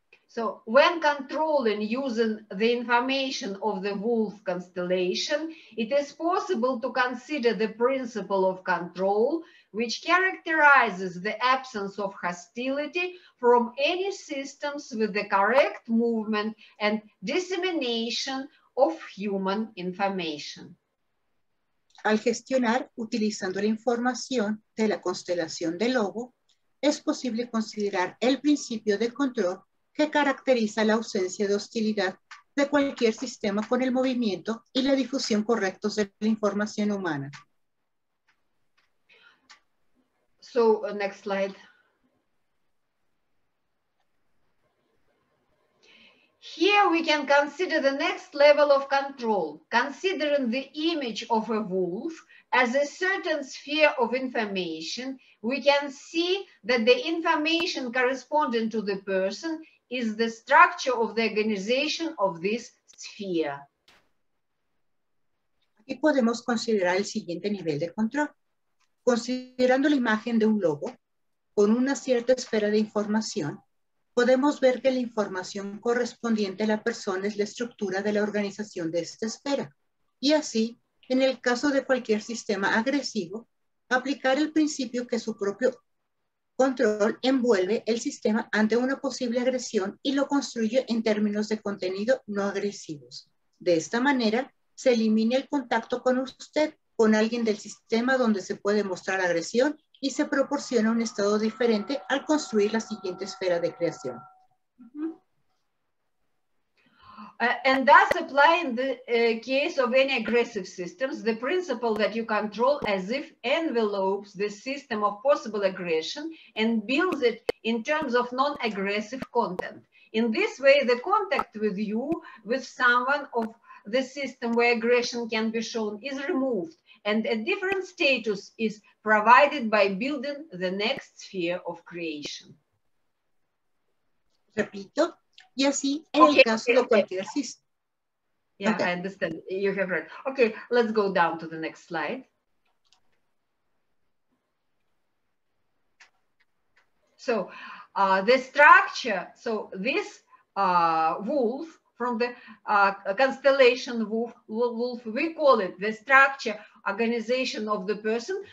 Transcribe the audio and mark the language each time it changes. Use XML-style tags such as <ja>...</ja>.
<en>So when controlling using the information of the wolf constellation, it is possible to consider the principle of control, which characterizes the absence of hostility from any systems with the correct movement and dissemination of human information.</en> <es>Al gestionar utilizando la información de la constelación de Lobo, es posible considerar el principio de control que caracteriza la ausencia de hostilidad de cualquier sistema con el movimiento y la difusión correctos de la información humana.</es> <en>So, next slide. Here we can consider the next level of control, considering the image of a wolf as a certain sphere of information. We can see that the information corresponding to the person is the structure of the organization of this sphere.</en> <es>Aquí podemos considerar el siguiente nivel de control. Considerando la imagen de un lobo con una cierta esfera de información, podemos ver que la información correspondiente a la persona es la estructura de la organización de esta esfera. Y así, en el caso de cualquier sistema agresivo, aplicar el principio que su propio control envuelve el sistema ante una posible agresión y lo construye en términos de contenido no agresivos. De esta manera, se elimina el contacto con usted, con alguien del sistema donde se puede mostrar agresión y se proporciona un estado diferente al construir la siguiente esfera de creación.</es> <en>And thus applying the case of any aggressive systems, the principle that you control as if envelopes the system of possible aggression and builds it in terms of non-aggressive content. In this way, the contact with you, with someone of the system where aggression can be shown is removed and a different status is provided by building the next sphere of creation.</en> <es>Repito. Y así en okay, el caso de cualquier sistema.</es> <en>Yeah, okay. I understand. You have read. Okay, let's go down to the next slide. So, the structure, so this wolf from the constellation wolf, we call it the structure organization of the person.</en>